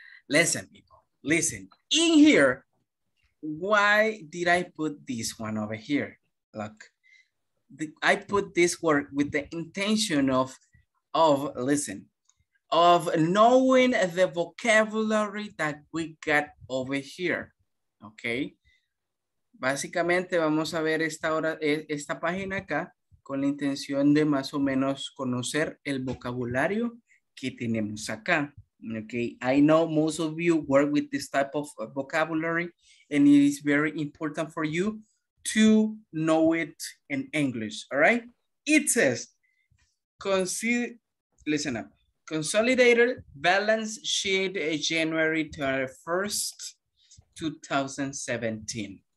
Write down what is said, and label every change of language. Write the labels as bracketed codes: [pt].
[en] Listen, people, listen. In here, why did I put this one over here? Look, I put this word with the intention of knowing the vocabulary that we got over here, okay? [es] básicamente vamos a ver esta hora, esta página acá, con la intención de más o menos conocer el vocabulario que tenemos acá. [en] Okay, I know most of you work with this type of vocabulary, and it is very important for you to know it in English. All right, it says, listen up. Consolidated balance sheet January 31st, 2017.